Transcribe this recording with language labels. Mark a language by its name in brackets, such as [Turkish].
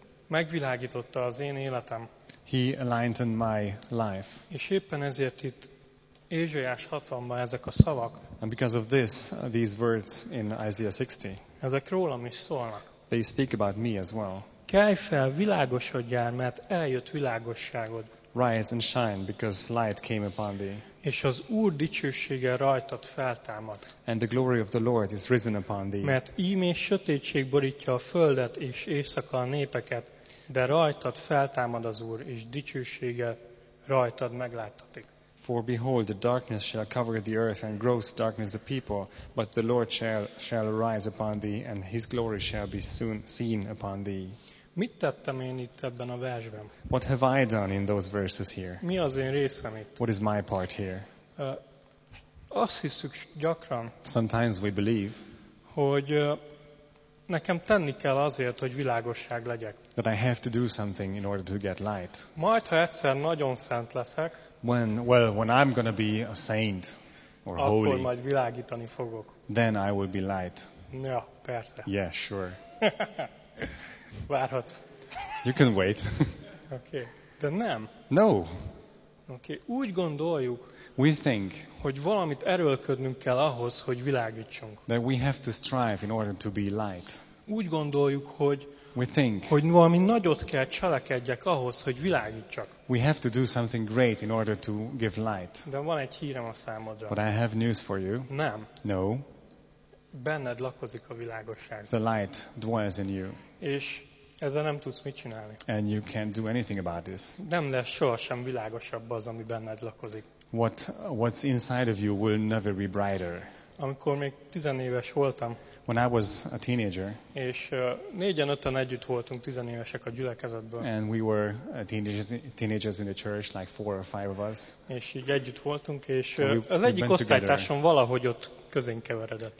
[Hungarian] Megvilágította az én életem. [English] He enlightened my life. [Hungarian] És éppen ezért itt Ézsaiás 60-ban ezek a szavak. [English] And because of this, these words in Isaiah 60. [Hungarian] Ezek rólam is szólnak. [English] They speak about me as well. [Hungarian] Kelj fel, világosodjál, mert eljött világosságod. [English] Rise and shine, because light came upon thee. [Hungarian] És az Úr dicsősége rajtad feltámadt. [English] And the glory of the Lord is risen upon thee. [Hungarian] Mert íme sötétség borítja a földet és éjszaka a népeket, de rajtad feltámad az Úr, és dicsősége rajtad megláttatik. [English] For behold, the darkness shall cover the earth and gross darkness the people, but the Lord shall rise upon thee, and his glory shall be soon seen upon thee. [Hungarian] Mit tettem én itt ebben a versben? [English] What have I done in those verses here? [Hungarian] Mi az én részem itt? [English] What is my part here? [Hungarian] Azt hiszük gyakran. [English] Sometimes we believe. [Hungarian] Hogy nekem tenni kell azért, hogy világosság legyek. [English] That I have to do something in order to get light. [Hungarian] Majd ha egyszer nagyon szent leszek. [English] When I'm gonna be a saint or [Hungarian] akkor [English] holy. [Hungarian] Akkor majd világítani fogok. [English] Then I will be light. [Hungarian] Ja, persze. [English] Yeah, sure. [Hungarian] Várhatsz. [English] You can wait. [Hungarian] Okay. De nem. [English] No. [Hungarian] Okay. Úgy gondoljuk. [English] We think. [Hungarian] Hogy valamit erőlködnünk kell ahhoz, hogy világítsunk. [English] That we have to strive in order to be light. [Hungarian] Úgy gondoljuk, hogy. [English] We think. [Hungarian] Hogy valami nagyot kell cselekedjek ahhoz, hogy világítsak. [English] We have to do something great in order to give light. [Hungarian] De van egy hírem a számodra. [English] But I have news for you. [Hungarian] Nem. [English] No. [Hungarian] Benned lakozik a világosság. [English] The light dwells in you. [Hungarian] És ezzel nem tudsz mit csinálni. [English] And you can't do anything about this. [Hungarian] Nem lesz sohasem világosabb az, ami benned lakozik. [English] What's inside of you will never be brighter. [Hungarian] Amikor még 10 éves voltam, [English] when I was a teenager, [Hungarian] és 4-5-en együtt voltunk 10 évesek a gyülekezetből, [English] and we were teenagers in the church, like 4 or 5 of us, [Hungarian] és így együtt voltunk, és az egyik osztálytársam valahogy ott közénk keveredett,